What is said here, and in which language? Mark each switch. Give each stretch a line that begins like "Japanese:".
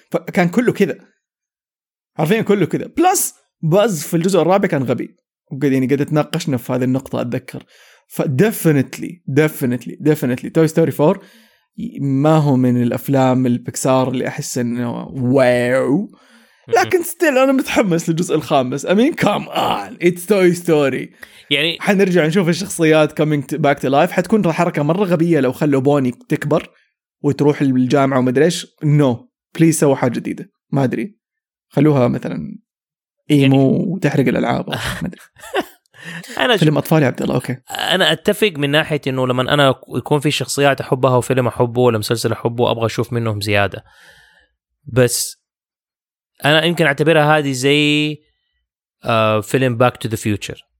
Arabic: فكان كله كذا، عارفين كله كذا. بلس باز في الجزء الرابع كان غبي، وقد يعني قد تناقشنا في هذه النقطة أتذكر. فدفنتلي دفنتلي دفنتلي توي ستوري 4 ما هو من الأفلام البكسار اللي أحس أنه واو، لكن ستيل أنا متحمس للجزء الخامس.
English: I mean come on it's Toy Story،
Arabic: يعني حنرجع نشوف الشخصيات
English: coming back to life.
Arabic: حتكون حركة مرة غبية لو خلوا بوني تكبر وتروح للجامعة وما أدري إيش،
English: no please
Arabic: سوى حاجة جديدة، ما أدري خلوها مثلاً إيمو يعني تحرق الألعاب. أنا فيلم أطفالي عبد الله أوكي. أنا أتفق من ناحية إنه لما أنا يكون في شخصيات أحبها وفيلم أحبه ولمسلسل أحبه أبغى أشوف منهم زيادة، بس أنا يمكن أعتبرها هذه زي فيلم Back to the Future.